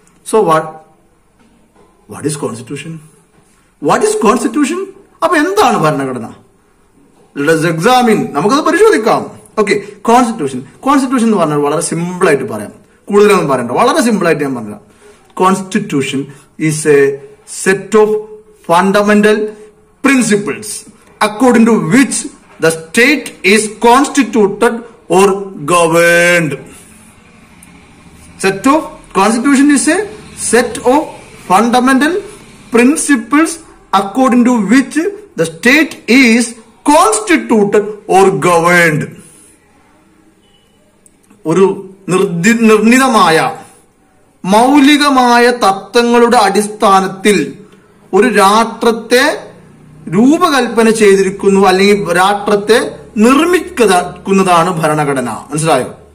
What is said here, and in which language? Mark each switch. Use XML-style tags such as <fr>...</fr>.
<en>so what is constitution, what is constitution,</en> <ml>അപ്പൊ എന്താണ് ഭരണഘടന,</ml> <en>let's examine,</en> <ml>നമുക്കത് പരിശോധിക്കാം. ഓക്കെ, കോൺസ്റ്റിറ്റ്യൂഷൻ, കോൺസ്റ്റിറ്റ്യൂഷൻ എന്ന് പറഞ്ഞാൽ വളരെ സിമ്പിളായിട്ട് പറയാം, കൂടുതലൊന്നും പറയണ്ട, വളരെ സിമ്പിളായിട്ട് ഞാൻ പറഞ്ഞു.</ml> <en>Constitution is a set of fundamental principles according to which the state is constituted or governed. Set of constitution is a set of fundamental principles according to which the state is constituted or governed.</en> <ml>Oru nirnidhamaya mauligamaya tattangalude adisthanathil ഒരു രാഷ്ട്രത്തെ രൂപകൽപ്പന ചെയ്തിരിക്കുന്നു, അല്ലെങ്കിൽ രാഷ്ട്രത്തെ നിർമ്മിക്കുന്നതാണ് ഭരണഘടന. മനസ്സിലായോ?</ml>